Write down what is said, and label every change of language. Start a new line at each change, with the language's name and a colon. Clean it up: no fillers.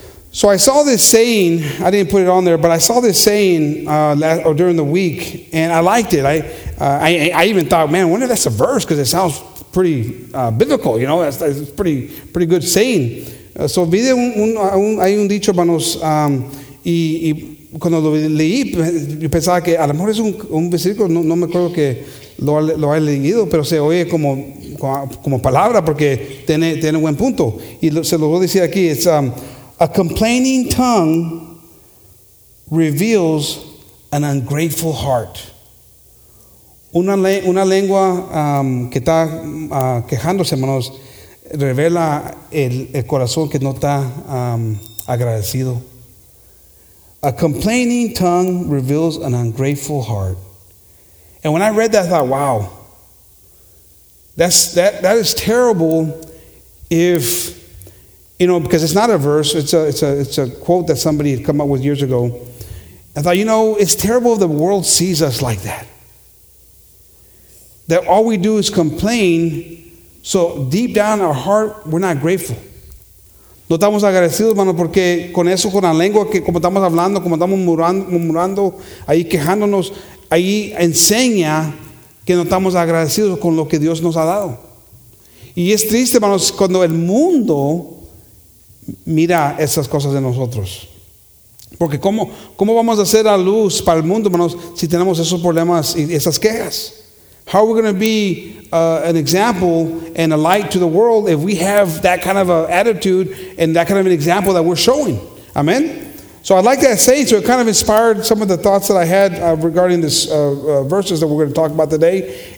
English: So I saw this saying, I didn't put it on there, but I saw this saying during the week, and I liked it. I even thought, man, I wonder if that's a verse, because it sounds pretty biblical, you know, that's pretty good saying. So
Spanish: vi un dicho, hermanos, Y cuando lo leí, yo pensaba que a lo mejor es un versículo, no me acuerdo que lo haya leído, pero se oye como palabra porque tiene buen punto. Y se lo voy a decir aquí,
English: it's a complaining tongue reveals an ungrateful heart.
Spanish: Una lengua que está quejándose, hermanos, revela el corazón que no está agradecido.
English: A complaining tongue reveals an ungrateful heart. And when I read that, I thought, wow, that is terrible if, you know, because it's not a verse, it's a quote that somebody had come up with years ago. I thought, you know, it's terrible if the world sees us like that. That all we do is complain, so deep down in our heart, we're not grateful.
Spanish: No estamos agradecidos, hermano, porque con eso, con la lengua, que como estamos hablando, como estamos murmurando, ahí quejándonos, ahí enseña que no estamos agradecidos con lo que Dios nos ha dado. Y es triste, hermanos, cuando el mundo mira esas cosas de nosotros. Porque ¿cómo vamos a hacer la luz para el mundo, hermanos, si tenemos esos problemas y esas quejas?
English: How are we going to be an example and a light to the world if we have that kind of an attitude and that kind of an example that we're showing? Amen? So I'd like to say, so it kind of inspired some of the thoughts that I had regarding this verses that we're going to talk about today.